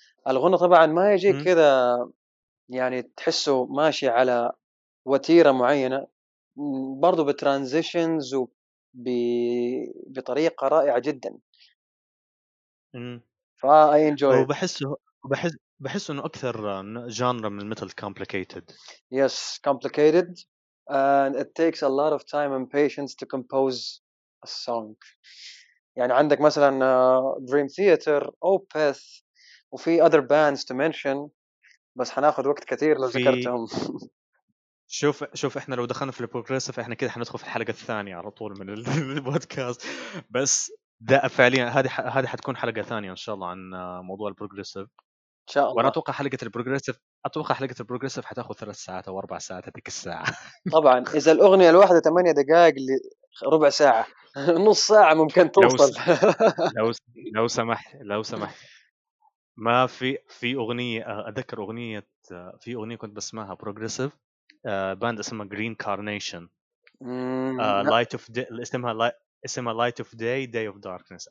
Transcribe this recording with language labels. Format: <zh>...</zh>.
<ar>الغنى طبعا ما يجي كذا يعني تحسه ماشي على وتيره معينه، برضو بترانزيشنز وبطريقه رائعه جدا.</ar> <en>فاي انجوي.</en> <ar>وبحس انه اكثر جانر من الميتال كومبليكيتد.</ar> <en>Yes complicated and it takes a lot of time and patience to compose a song.</en> <ar>يعني عندك مثلا Dream Theater, Opeth, وفي other bands to mention, بس حناخد وقت كثير لو ذكرتهم. شوف شوف احنا لو دخلنا في البروجريسف احنا كده حندخل في الحلقة الثانية على طول من البودكاست, بس ده فعليا هذه حتكون حلقة ثانية ان شاء الله عن موضوع البروجريسف ان شاء الله. وانا اتوقع حلقة البروجريسف حتاخد 3 ساعات او 4 ساعات هذيك الساعة. طبعا اذا الاغنية الواحدة 8 دقائق لربع ساعة نص ساعة ممكن توصل. لو سمح ما في اغنية اذكر اغنية في اغنية كنت بسمعها بروجريسف باند اسمها Green Carnation.</ar> <en>Light of Day, اسمها Light of Day, Day of Darkness.</en>